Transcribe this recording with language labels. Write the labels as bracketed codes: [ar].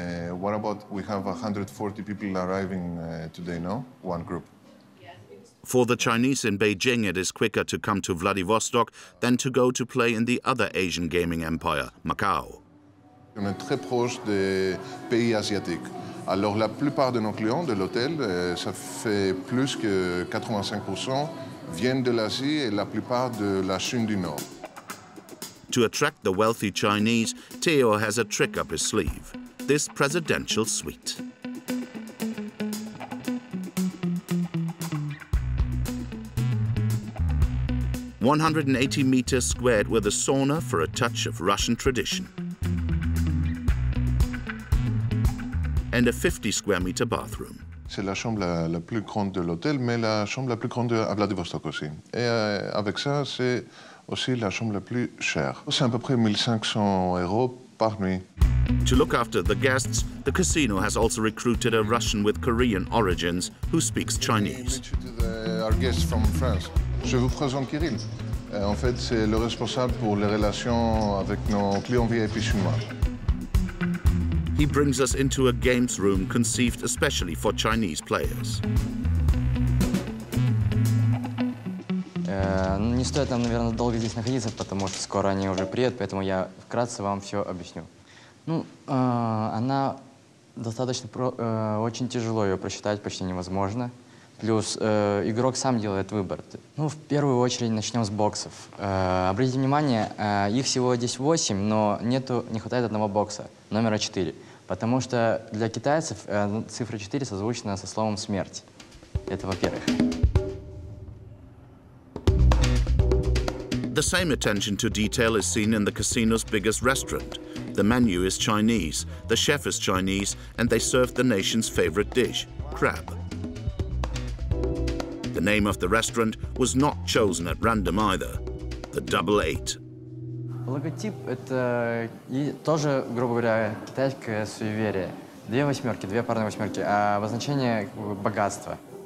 [en] What about, we have 140 people arriving today, no? One group. For the Chinese in Beijing, it is quicker to come to Vladivostok than to go to play in the other Asian gaming empire, Macau. [fr] On est très proche des pays asiatiques. Alors la plupart de nos clients de l'hôtel, ça fait plus que 85% viennent de l'Asie et la plupart de la Chine du Nord. [en] To attract the wealthy Chinese, Theo has a trick up his sleeve: this presidential suite. ~180 meters squared with a sauna for a touch of Russian tradition. And a 50-square-meter bathroom. [fr] C'est la chambre la plus grande de l'hôtel, mais la chambre la plus grande à Vladivostok aussi. Et avec ça, c'est aussi la chambre la plus chère. C'est à peu près 1 500 euros par nuit. [en] To look after the guests, the casino has also recruited a Russian with Korean origins who speaks Chinese. Our guests from France. [fr] Je vous présente Kirill. En fait, c'est le responsable pour les relations avec nos clients VIP chinois. [en] He brings us into a games room conceived especially for Chinese players. [ru] Не стоит нам, наверное, долго здесь находиться, потому что скоро они уже приедут, поэтому я вкратце вам все объясню. Ну, она достаточно очень тяжело ее просчитать, почти невозможно. Плюс игрок сам делает выбор. Ну, в первую очередь начнем с боксов. Обратите внимание, их всего здесь 8, но не хватает одного бокса, номера 4. Потому что для китайцев цифра 4 созвучна со словом «смерть». Это во-первых. [en] The same attention to detail is seen in the casino's biggest restaurant. The menu is Chinese, the chef is Chinese, and they serve the nation's favorite dish, crab. The name of the restaurant was not chosen at random either. The Double Eight. [ru] Логотип – это тоже, грубо говоря, китайское суеверие. Две восьмерки, две парные восьмерки. А обозначение – богатство.